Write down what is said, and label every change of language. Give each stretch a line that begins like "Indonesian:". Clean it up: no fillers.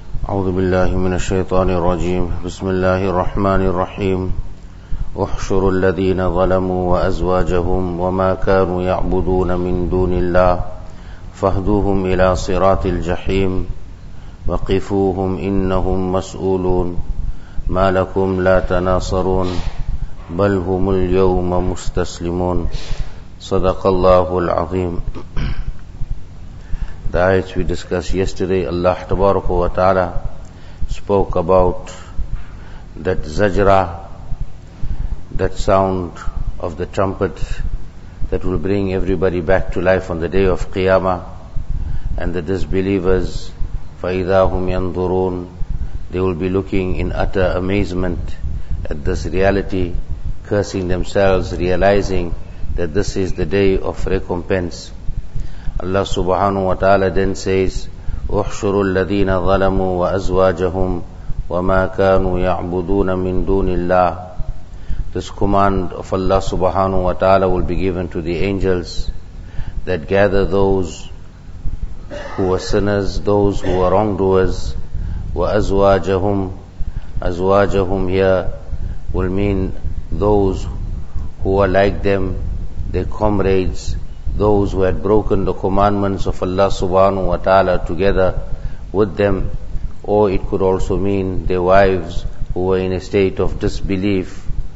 Arabic: أعوذ بالله من الشيطان الرجيم بسم الله الرحمن الرحيم احشر الذين ظلموا وأزواجهم وما كانوا يعبدون من دون الله فاهدوهم إلى صراط الجحيم وقفوهم إنهم مسؤولون ما لكم لا تناصرون بل هم اليوم مستسلمون صدق الله العظيم.
English: The ayats we discussed yesterday, Allah Tabaraka wa Ta'ala spoke about that zajra, that sound of the trumpet that will bring everybody back to life on the day of Qiyamah, and the disbelievers,
Arabic: فَإِذَا هُمْ يَنْظُرُونَ,
English: they will be looking in utter amazement at this reality, cursing themselves, realizing that this is the day of recompense. Allah subhanahu wa ta'ala then says,
Arabic: اُحْشُرُ الَّذِينَ ظَلَمُوا وَأَزْوَاجَهُمْ وَمَا كَانُوا يَعْبُدُونَ مِن دُونِ اللَّهِ.
English: This command of Allah subhanahu wa ta'ala will be given to the angels, that gather those who were sinners, those who were wrongdoers, وَأَزْوَاجَهُمْ. أَزْوَاجَهُمْ here will mean those who are like them, their comrades, those who had broken the commandments of Allah subhanahu wa ta'ala together with them, or it could also mean their wives who were in a state of disbelief.